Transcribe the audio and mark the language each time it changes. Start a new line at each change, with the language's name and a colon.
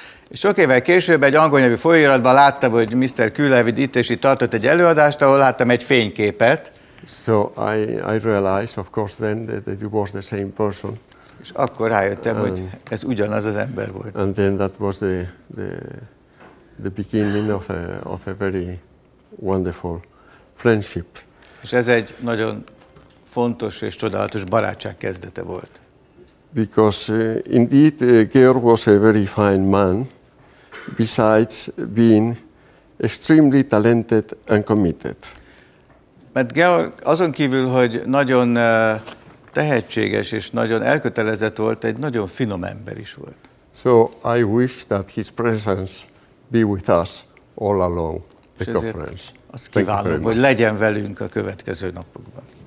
Hungarian: Sok évvel később egy angol nyelvű folyóiratban láttam, hogy Mr. Kulevin itt és itt tartott egy előadást, ahol láttam egy fényképet.
English: So I realized, of course, then that it was the same person.
Hungarian: És akkor rájöttem, hogy ez ugyanaz az ember volt.
English: And then that was the beginning of a very wonderful friendship.
Hungarian: És ez egy nagyon fontos és csodálatos barátság kezdete volt.
English: Because indeed Georg was a very fine man, besides being extremely talented and committed.
Hungarian: Mert Georg azon kívül, hogy nagyon tehetséges és nagyon elkötelezett volt, egy nagyon finom ember is volt.
English: So I wish that his presence be with us all along the conference.
Hungarian: Azt kívánom, hogy legyen velünk a következő napokban.